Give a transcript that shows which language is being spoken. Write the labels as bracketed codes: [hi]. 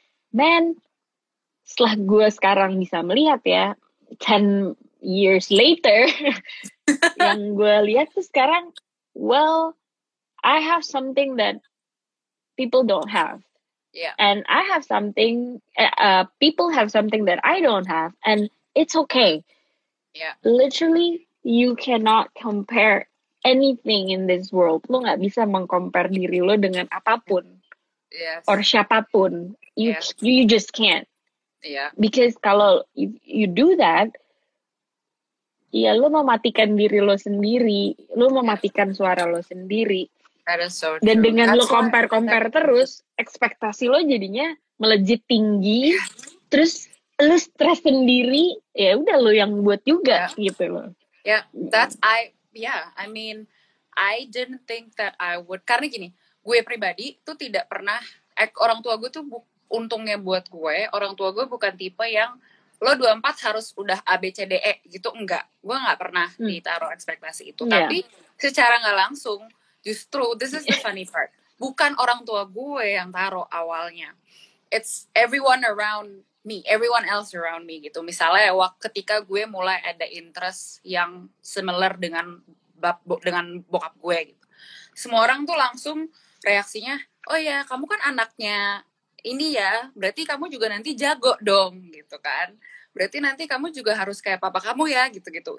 [en] Man, [id] setelah gue sekarang bisa melihat [en] ya, 10 years later, [id] yang gue lihat tuh sekarang, [en] well, I have something that people don't have. Yeah. And I have something, people have something that I don't have, and it's okay. Yeah. Literally, you cannot compare anything in this world. [id] Lo gak bisa meng-compare diri lo dengan apapun. [en] Yes. Or siapapun. You just can't. Yeah. [id] Because kalau [en] you do that, [id] ya lo mematikan diri lo sendiri. Lo mematikan suara lo sendiri. [en] That is so [id] dan [en] true. [id] Dengan lo compare-compare terus, ekspektasi lo jadinya melejit tinggi. Yeah. Terus lo stres sendiri, ya udah lo yang buat juga gitu lo. [en] Yeah, that's I mean, I didn't think that I would. [id] Karena gini, gue pribadi tuh tidak pernah, orang tua gue tuh untungnya buat gue, orang tua gue bukan tipe yang lo 24 harus udah A, B, C, D, E gitu, enggak. Gue gak pernah ditaruh ekspektasi itu. Yeah. Tapi secara gak langsung, justru, [en] this is the funny part. [id] Bukan orang tua gue yang taruh awalnya. [en] It's everyone around me, everyone else around me gitu. [id] Misalnya waktu ketika gue mulai ada interest yang similar dengan dengan bokap gue gitu. Semua orang tuh langsung reaksinya, oh ya kamu kan anaknya ini ya, berarti kamu juga nanti jago dong gitu kan. Berarti nanti kamu juga harus kayak papa kamu ya gitu-gitu.